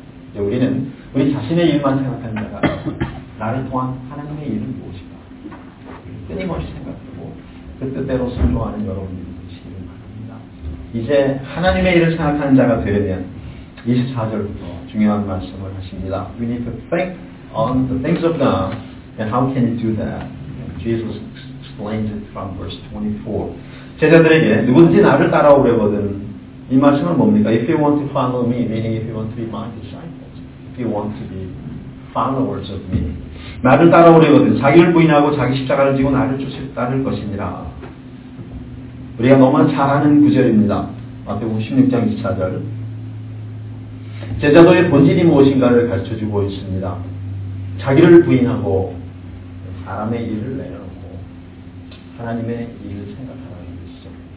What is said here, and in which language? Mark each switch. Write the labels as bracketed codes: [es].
[ko] 이제 우리는 우리 자신의 일만 생각하는 자가 나를 통한 하나님의 일은 무엇인가 끊임없이 생각하고 그 뜻대로 순종하는 여러분이 되시기를 바랍니다. 이제 하나님의 일을 생각하는 자가 되려면 24절부터 중요한 말씀을 하십니다. [en] We need to think on the things of God. And how can you do that? Jesus explains it from verse 24. [ko] 제자들에게 누구든지 나를 따라오려거든 이 말씀은 뭡니까? [en] If you want to follow me, meaning if you want to be my disciple. If you want to be followers of me. [ko] 나를 따라오려거든 자기를 부인하고 자기 십자가를 지고 나를 따를 것이니라. 우리가 너무나 잘 아는 구절입니다. 마태복음 16장 24절. 제자도의 본질이 무엇인가를 가르쳐주고 있습니다. 자기를 부인하고 사람의 일을 내려놓고 하나님의 일을 생각하라는 것이죠.